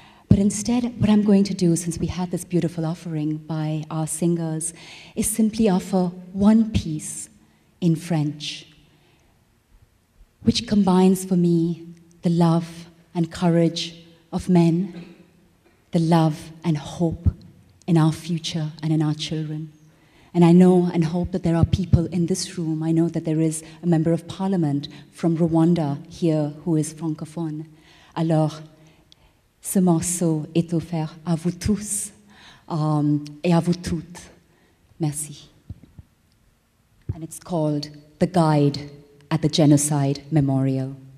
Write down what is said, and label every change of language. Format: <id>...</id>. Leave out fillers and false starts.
<en>But instead, what I'm going to do, since we had this beautiful offering by our singers, is simply offer one piece in French, which combines for me the love and courage of men, the love and hope in our future and in our children. And I know and hope that there are people in this room, I know that there is a member of parliament from Rwanda here who is francophone.</en> <fr>Alors, ce morceau est offert à vous tous et à vous toutes. Merci.</fr> <en>And it's called The Guide at the Genocide Memorial.</en>